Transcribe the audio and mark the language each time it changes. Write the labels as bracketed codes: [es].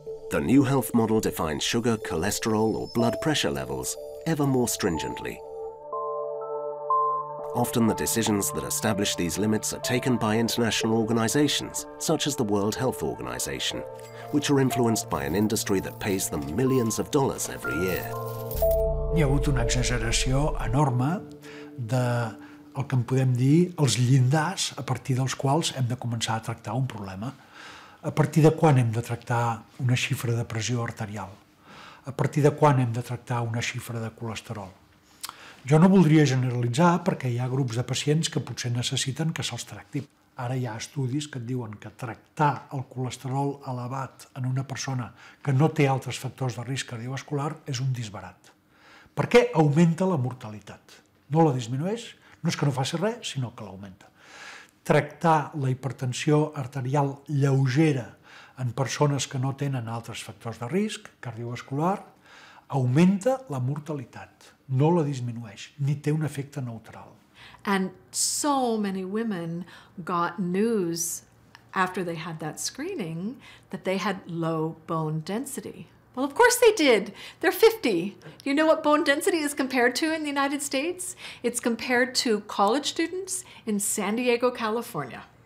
[en] The new health model defines sugar, cholesterol, or blood pressure levels ever more stringently. Often the decisions that establish these limits are taken by international organizations, such as the World Health Organization, which are influenced by an industry that pays them millions of dollars every year. [ca] Hi ha hagut una exageració enorme de el que en podem dir els llindars a partir dels quals hem de començar a tractar un problema. A partir de quan hem de tractar una xifra de pressió arterial? A partir de quan hem de tractar una xifra de colesterol? Jo no voldria generalitzar perquè hi ha grups de pacients que potser necessiten que se'ls tracti. Ara hi ha estudis que et diuen que tractar el colesterol elevat en una persona que no té altres factors de risc cardiovascular és un disbarat. Perquè augmenta la mortalitat. No la disminueix, no és que no faci res, sinó que l'augmenta. Tractar la hipertensió arterial lleugera en persones que no tenen altres factors de risc cardiovascular augmenta la mortalitat. No la disminueix, ni té un efecte neutral. [en] And so many women got news after they had that screening that they had low bone density. Well, of course they did. They're 50. Do you know what bone density is compared to in the United States? It's compared to college students in San Diego, California.